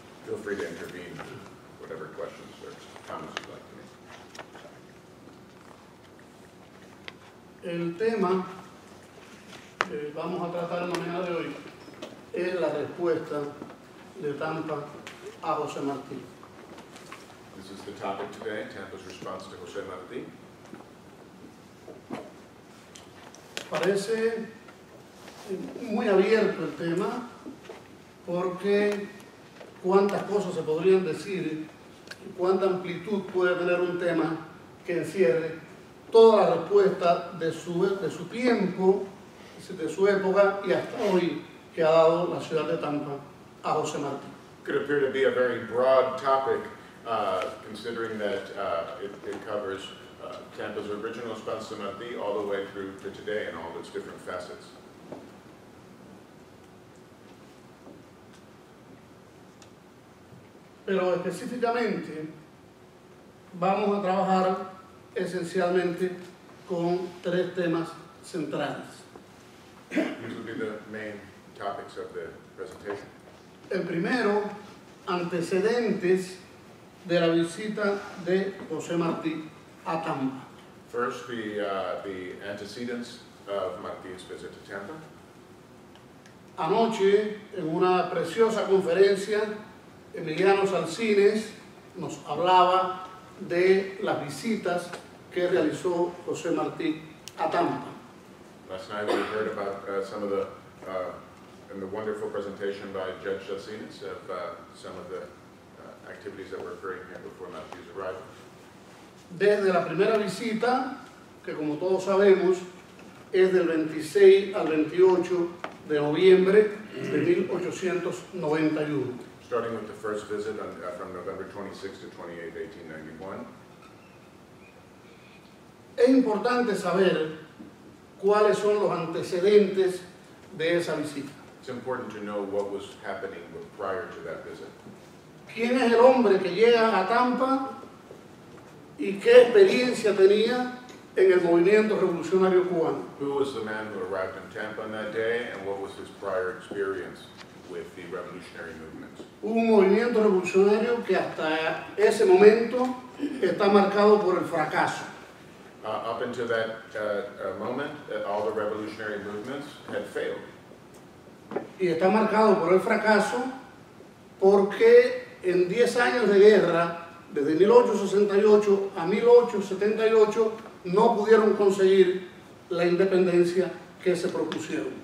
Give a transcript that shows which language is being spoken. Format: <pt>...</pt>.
<en>Feel free to intervene with whatever questions or comments you'd like to make.</en> <es>El tema que vamos a tratar en la mañana de hoy es la respuesta de Tampa a José Martí.</es> <en>This is the topic today, Tampa's response to José Martí.</en> <es>Parece muy abierto el tema, porque cuántas cosas se podrían decir, cuánta amplitud puede tener un tema que encierre toda la respuesta de su tiempo, de su época y hasta hoy que ha dado la ciudad de Tampa a José Martí.</es> <en>Could appear to be a very broad topic, considering that it covers Tampa's original response to Martí all the way through to today and all its different facets.</en> <es>Pero específicamente vamos a trabajar esencialmente con tres temas centrales.</es> <en>These will be the main topics of the presentation.</en> <es>El primero, antecedentes de la visita de José Martí a Tampa.</es> <en>First, the antecedents of Martí's visit to Tampa.</en> <es>Anoche, en una preciosa conferencia, Emiliano Salcines nos hablaba de las visitas que realizó José Martí a Tampa.</es> <en>Last night we heard about some of the and the wonderful presentation by Judge Salcines of some of the activities that were occurring here before Martí's arrival.</en> <es>Desde la primera visita, que como todos sabemos, es del 26 al 28 de noviembre de 1891.</es> <en>Starting with the first visit on, from November 26 to 1891.</en> <es>Es importante saber cuáles son los antecedentes de esa visita.</es> <en>It's important to know what was happening prior to that visit.</en> <es>¿Quién es el hombre que llega a Tampa y qué experiencia tenía en el movimiento revolucionario cubano?</es> <en>Who was the man who arrived in Tampa on that day, and what was his prior experience with the revolutionary movement?</en> <es>Un movimiento revolucionario que hasta ese momento está marcado por el fracaso.</es> <en>Up until that moment, all the revolutionary movements had failed.</en> <es>Y está marcado por el fracaso porque en 10 años de guerra, desde 1868 a 1878, no pudieron conseguir la independencia que se propusieron.</es>